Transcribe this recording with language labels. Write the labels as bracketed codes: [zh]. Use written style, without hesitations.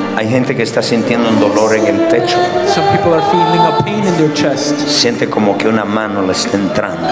[es] Gente que está sintiendo un dolor en el pecho. [en] Some people are feeling a pain in their chest. [es] Siente como que una mano le está entrando.